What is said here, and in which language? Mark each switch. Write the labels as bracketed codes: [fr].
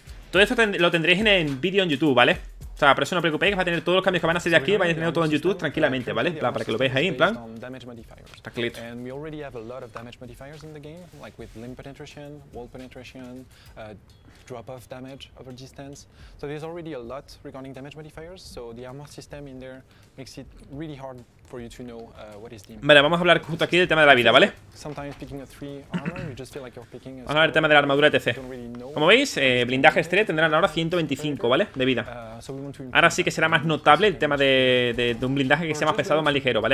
[es] Todo esto lo tendréis en el vídeo en YouTube, ¿vale? O sea, por eso no os preocupéis, que va a tener todos los cambios que van a salir aquí, vais a tener todo en YouTube tranquilamente, ¿vale? En plan, para que lo veáis ahí, en plan. Está clarito. [en] And we already have a lot of damage modifiers in the game, like with limb penetration, wall penetration, drop-off damage over distance. So there's already a lot regarding damage modifiers, so the armor system in there makes it really hard for you to know what is the impact. [es] Vale, vamos a hablar justo aquí del tema de la vida, ¿vale? [en] Sometimes picking a 3 armor, you just feel like you're picking a... [es] Vamos a ver el tema de la armadura TC. Como veis, blindaje estrella tendrán ahora 125, ¿vale? De vida. Ahora sí que será más notable el tema de un blindaje que sea más pesado o más ligero, ¿vale?